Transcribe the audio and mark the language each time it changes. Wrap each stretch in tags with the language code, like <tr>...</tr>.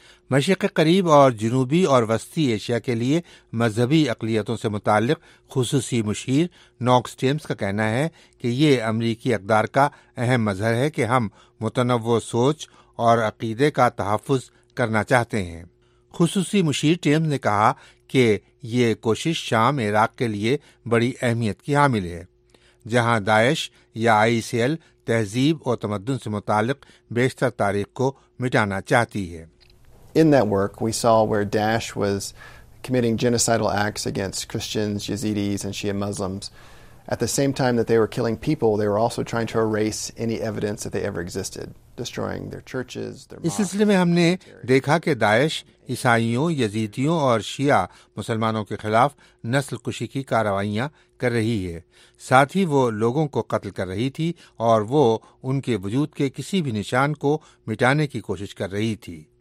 <ur>مشرق قریب اور جنوبی اور وسطی ایشیا کے لیے مذہبی اقلیتوں سے متعلق خصوصی مشیر ناکس ٹیمز کا کہنا ہے کہ یہ امریکی اقدار کا اہم مظہر ہے کہ ہم متنوع سوچ اور عقیدے کا تحفظ کرنا چاہتے ہیں. خصوصی مشیر ٹیمز نے کہا کہ یہ کوشش شام عراق کے لیے بڑی اہمیت کی حامل ہے، جہاں داعش یا آئی سی ایل تہذیب اور تمدن سے متعلق بیشتر تاریخ کو مٹانا چاہتی ہے.</ur> <en>In that work, we saw where Daesh was committing genocidal acts against Christians, Yazidis, and Shia Muslims. At the same time that they were killing people, they were also trying to erase any evidence that they ever existed, destroying their churches, their mosques.</en> <ur>اس سلسلے میں ہم نے دیکھا کہ داعش عیسائیوں، یزیدیوں اور شیعہ مسلمانوں کے خلاف نسل کشی کی کارروائیاں کر رہی ہے. ساتھ ہی وہ لوگوں کو قتل کر رہی تھی اور وہ ان کے وجود کے کسی بھی نشان کو مٹانے کی کوشش کر رہی تھی.</ur>